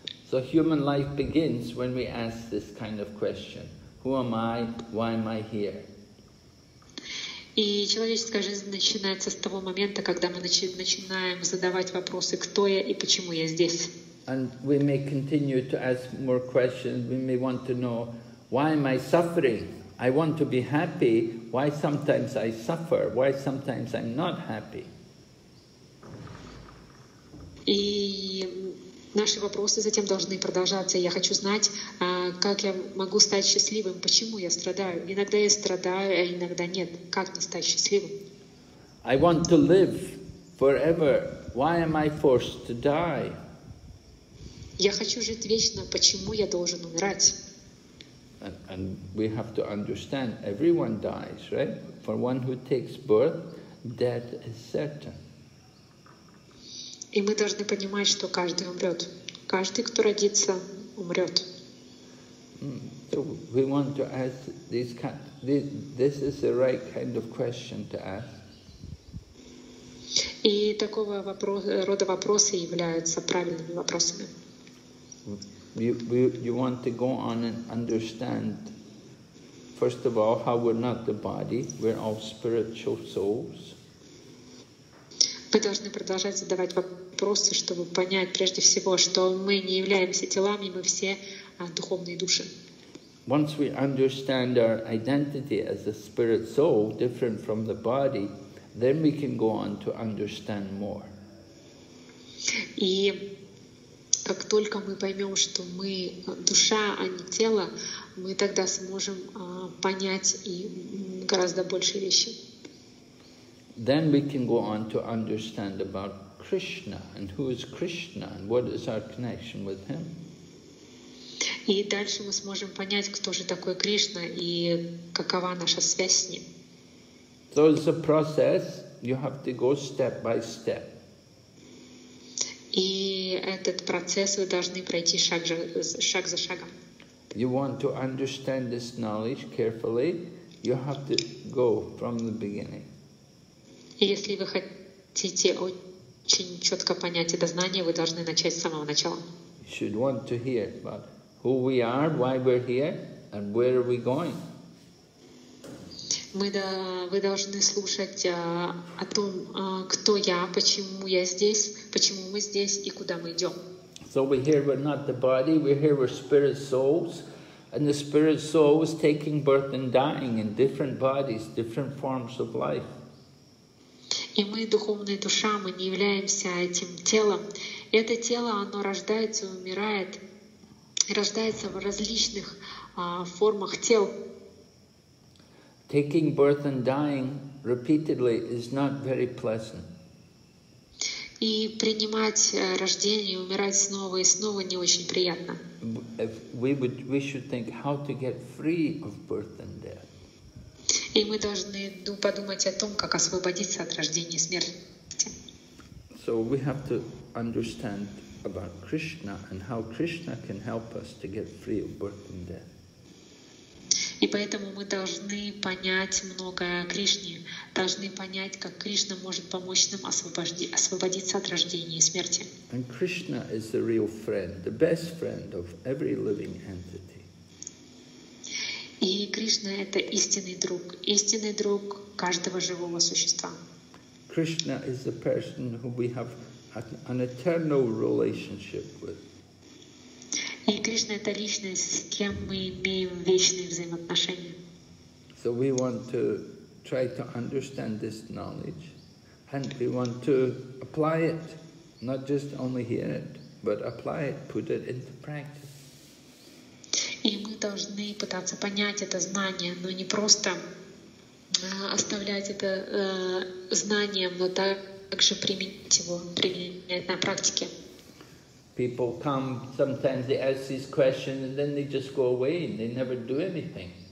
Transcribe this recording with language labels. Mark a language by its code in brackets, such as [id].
[en] So human life begins when we ask this kind of question. Who am I? Why am I here? [ru] И человеческая жизнь начинается с того момента, когда мы начинаем задавать вопросы, кто я и почему я здесь. [en] And we may continue to ask more questions. We may want to know, why am I suffering? I want to be happy. Why sometimes I suffer? Why sometimes I'm not happy? [ru] И наши вопросы затем должны продолжаться. Я хочу знать, как я могу стать счастливым, почему я страдаю. Иногда я страдаю, а иногда нет. Как мне стать счастливым? [en] I want to live forever. Why am I forced to die? [ru] Я хочу жить вечно. Почему я должен умирать? [en] And we have to understand everyone dies, right? For one who takes birth, death is certain. [ru] И мы должны понимать, что каждый умрет. Каждый, кто родится, умрет. [en] So we want to ask this is the right kind of question to ask. [ru] И такого рода вопросы являются правильными вопросами. [en] You want to go on and understand, first of all, how we're not the body, we're all spiritual souls. [ru] Вы должны продолжать задавать вопросы, чтобы понять прежде всего, что мы не являемся телами, мы все духовные души. [en] Once we understand our identity as a spirit soul, different from the body, then we can go on to understand more. [ru] И как только мы поймем, что мы душа, а не тело, мы тогда сможем понять и гораздо больше вещи. [en] Then we can go on to understand about Krishna and who is Krishna and what is our connection with him. [ru] И дальше мы сможем понять, кто же такой Кришна и какова наша связь с ним. [en] So it's a process, you have to go step by step. [ru] И этот процесс вы должны пройти шаг за шагом. [en] You want to understand this knowledge carefully, you have to go from the beginning. [ru] Если вы хотите очень четко понять это знание, вы должны начать с самого начала. [en] You should want to hear about who we are, why we're here, and where are we going. [ru] Вы должны слушать о том, кто я, почему я здесь, почему мы здесь и куда мы идем. [en] So we're here, we're not the body, we're here, we're spirit souls. And the spirit soul is taking birth and dying in different bodies, different forms of life. [ru] И мы духовная душа, мы не являемся этим телом. Это тело, оно рождается и умирает, рождается в различных формах тел. [en] Taking birth and dying repeatedly is not very pleasant. [ru] И принимать рождение, умирать снова и снова не очень приятно. [en] We should think how to get free of birth and death. [ru] И мы должны подумать о том, как освободиться от рождения и смерти. [en] So we have to understand about Krishna and how Krishna can help us to get free of birth and death. [ru] И поэтому мы должны понять многое о Кришне, должны понять, как Кришна может помочь нам освободиться от рождения и смерти. [en] And Krishna is the real friend, the best friend of every living entity. [ru] И Кришна — это истинный друг каждого живого существа. [en] Krishna is the person who we have an eternal relationship with. [ru] И Кришна — это личность, с кем мы имеем вечные взаимоотношения. [en] So we want to try to understand this knowledge, and we want to apply it, not just only hear it, but apply it, put it into practice. [ru] И мы должны пытаться понять это знание, но не просто оставлять это знанием, но также применить его, применять на практике. [en] People come, sometimes they ask these questions and then they just go away and they never do anything.